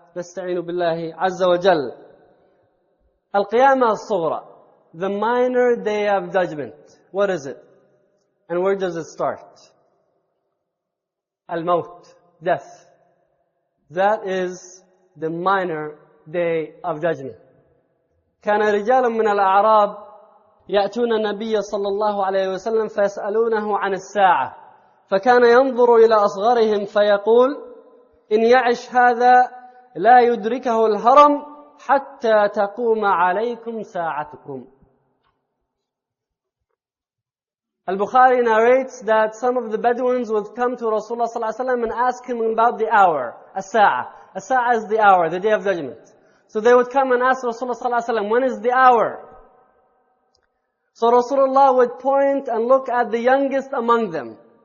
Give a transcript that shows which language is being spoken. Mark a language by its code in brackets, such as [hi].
[ar] Nasta'inu billahi azza wa jal. [en] Al-Qiyamah al-Sughra, the minor day of judgment. What is it? And where does it start? Al-Mawt, death. That is the minor day of judgment. [ar] Kana rijalun min al-A'rab يأتون النبي صلى الله عليه وسلم فيسألونه عن الساعة فكان ينظر إلى أصغرهم فيقول إن يعش هذا لا يدركه الهرم حتى تقوم عليكم ساعتكم. [en] البخاري narrates that some of the Bedouins would come to Rasulullah صلى الله عليه وسلم and ask him about the hour, الساعة. الساعة is the hour, the day of judgment. So they would come and ask Rasulullah صلى الله عليه وسلم, when is the hour? So Rasulullah would point and look at the youngest among them.